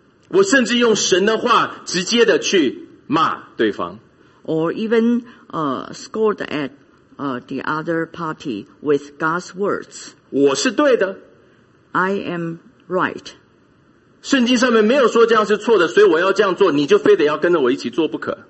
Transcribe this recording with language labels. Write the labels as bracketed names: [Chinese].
[Chinese] 我甚至用神的话直接的去骂对方 [English] or even scold at the other party with God's words [Chinese] 我是对的 [English] I am right [Chinese] 圣经上面没有说这样是错的所以我要这样做你就非得要跟着我一起做不可